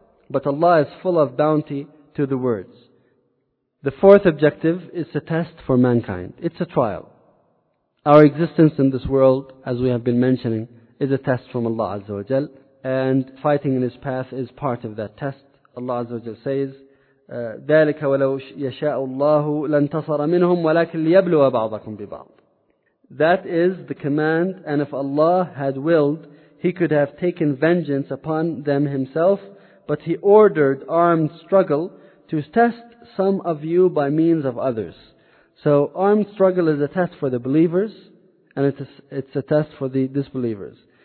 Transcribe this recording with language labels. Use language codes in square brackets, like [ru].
[en] But Allah is full of bounty to the words. The fourth objective is a test for mankind. It's a trial. Our existence in this world, as we have been mentioning, is a test from Allah Azza wa Jal. And fighting in His path is part of that test. Allah Azza wa Jal says, [ar] ذَلِكَ وَلَوْ يَشَاءُ اللَّهُ لَانْتَصَرَ مِنْهُمْ وَلَكِنْ لِيَبْلُوَ بَعْضَكُمْ بِبَعْضٍ. [en] That is the command, and if Allah had willed, He could have taken vengeance upon them Himself, but He ordered armed struggle to test some of you by means of others. So armed struggle is a test for the believers, and it's a test for the disbelievers.